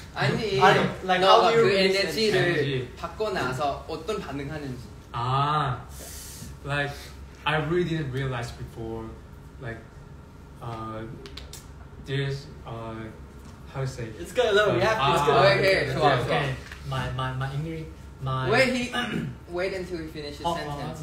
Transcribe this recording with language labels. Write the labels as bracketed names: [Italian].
[Korean] 아니 [English] like how do you receive the energy? [Korean] 받고나서어떤반응하는지 [English] Ah, like I really didn't realize before, like there's How to say? It's good. Look, we have to. Wait until we finish the sentence.